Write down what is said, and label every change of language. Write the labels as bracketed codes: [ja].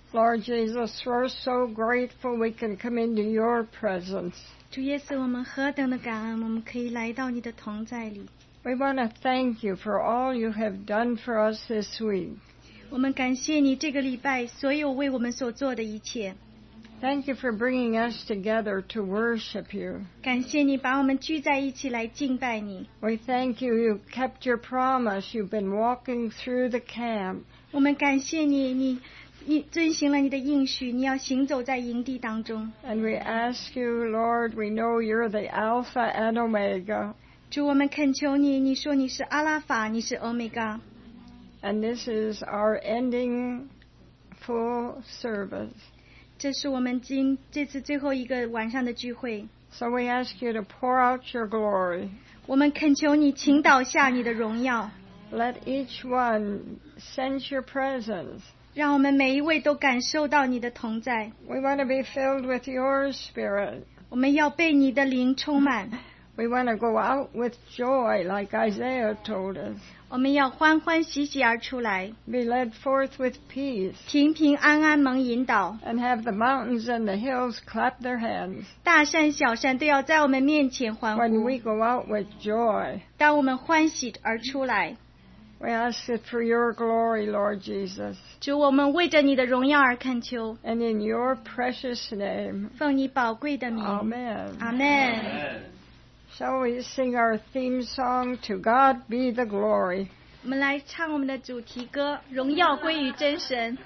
[en] Lord Jesus, we're so grateful we can come into your presence. [zh] 主耶稣，我们何等的感恩，我们可以来到你的同在里。 [en] We want to thank you for all you have done for us this week. [zh] 我们感谢你这个礼拜所有为我们所做的一切。 [en] Thank you for bringing us together to worship you. [zh] 感谢你把我们聚在一起来敬拜你。 [en] We thank you. You kept your promise. You've been walking through the camp. [zh] 我们感谢你，你。你遵行了你的应许，你要行走在营地当中。 [en] And we ask you, Lord, we know you're the Alpha and Omega. [zh] 主，我们恳求你，你说你是阿拉法，你是 Omega。 [en] And this is our ending full service. [zh] 这是我们这次最后一个晚上的聚会。 [en] So we ask you to pour out your glory. [zh] 我们恳求你倾倒下你的荣耀。 [en] Let each one sense your presence. [zh] 让我们每一位都感受到你的同在。 [en] We want to be filled with your spirit. [zh] 我们要被你的灵充满。 [en] We want to go out with joy, like Isaiah told us. [zh] 我们要欢欢喜喜而出来。 [en] Be led forth with peace. [zh] 平平安安蒙引导。 [en] And have the mountains and the hills clap their hands. [zh] 大山小山都要在我们面前欢呼。 [en] When we go out with joy. [zh] 当我们欢喜而出来。 [en] We ask it for your glory, Lord Jesus. [zh] 主，我们为着你的荣耀而恳求。 [en] And in your precious name. [zh] 奉你宝贵的名。 [en] Amen. Amen. Shall we sing our theme song, To God Be the Glory? [zh] 我们来唱我们的主题歌，荣耀归于真神。